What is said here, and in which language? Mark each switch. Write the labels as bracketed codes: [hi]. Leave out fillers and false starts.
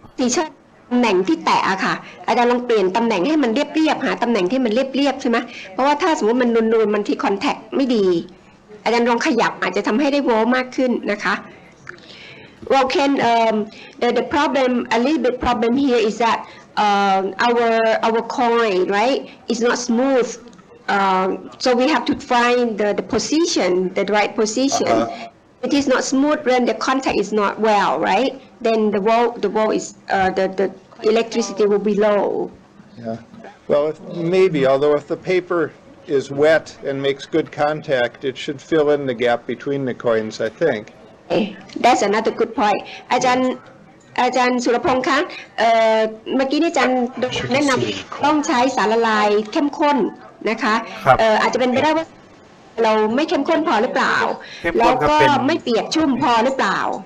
[th] ตีชื่อตำแหน่งที่แตะค่ะอาจารย์ลองเปลี่ยนตำแหน่งให้มันเรียบๆหาตำแหน่งที่มันเรียบๆใช่ไหมเพราะว่าถ้าสมมติมันนูนๆมันที่คอนแทคไม่ดีอาจารย์ลองขยับอาจจะทำให้ได้โวลต์มากขึ้นนะคะ [en] Well, Ken, the problem, a little bit problem here is that our coin, right, is not smooth. So we have to find the position, the right position. Uh-huh. It is not smooth when the contact is not well, right? Then the wall is, the electricity will be low. Yeah. Well, maybe, although if the paper is wet and makes good contact, it should fill in the gap between the coins, I think. That's another good point. [th] อาจารย์สุรพงษ์คะเมื่อกี้นี่อาจารย์แนะนำต้องใช้สารละลายเข้มข้นนะคะอาจจะเป็นไปได้ว่าเราไม่เข้มข้นพอหรือเปล่าแล้วก็ไม่เปียกชุ่มพอหรือเปล่า